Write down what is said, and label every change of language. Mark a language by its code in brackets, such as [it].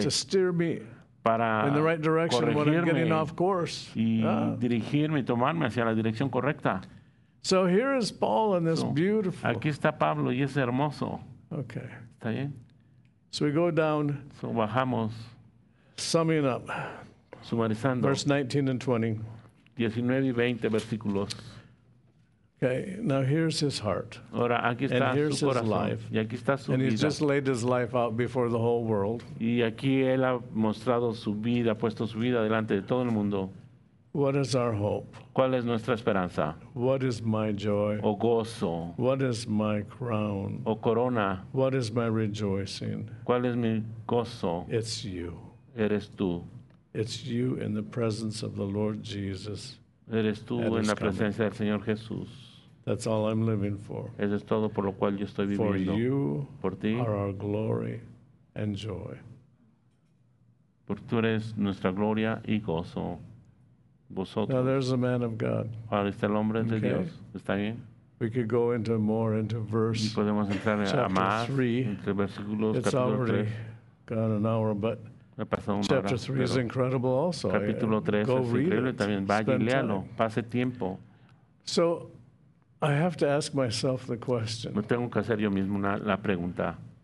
[en] To steer me in the right direction when I'm getting off course. [es] Y dirigirme y tomarme hacia la dirección correcta. [en] So here is Paul in this beautiful. [es] Aquí está Pablo y es hermoso. [en] Okay. [es] ¿Está bien? [en] So we go down. [es] So bajamos. [en] Summing up. [es] Sumarizando. [en] Verse 19 and 20. [es] 19 y 20 versículos. [en] Okay, now here's his heart. [es] Ahora aquí está [en] and here's [es] su corazón. [en] His life. [es] Y aquí está su [en] and [es] vida. [en] He's just laid his life out before the whole world. [es] Y aquí él ha mostrado su vida, puesto su vida delante de todo el mundo. [en] What is our hope? [es] ¿Cuál es nuestra esperanza? [en] What is my joy? [es] O gozo. [en] What is my crown? [es] O corona. [en] What is my rejoicing? [es] ¿Cuál es mi gozo? [en] It's you. [es] Eres tú. [en] It's you in the presence of the Lord Jesus. [es] Eres tú en la presencia del Señor Jesús. [en] That's all I'm living for. [es] Eso es todo por lo cual yo estoy viviendo. [en] For you [es] por ti. [en] Are our glory and joy. [es] Por tú eres nuestra gloria y gozo. Vosotros. [en] Now there's a man of God. [es] Ahora está el hombre de Dios. ¿Está bien? [en] We could go into more into verse [es] y podemos entrar [en] chapter [es] a más, [en] 3. [es] Entre versículos, [en] it's [es] capítulo [en] already [es] 3. [en] Gone an hour, but chapter 3 is incredible also. [es] Capítulo 3 es increíble también. Vaya y léalo. Pase tiempo. [en] So I have to ask myself the question. [es] Me tengo que hacer yo mismo la pregunta.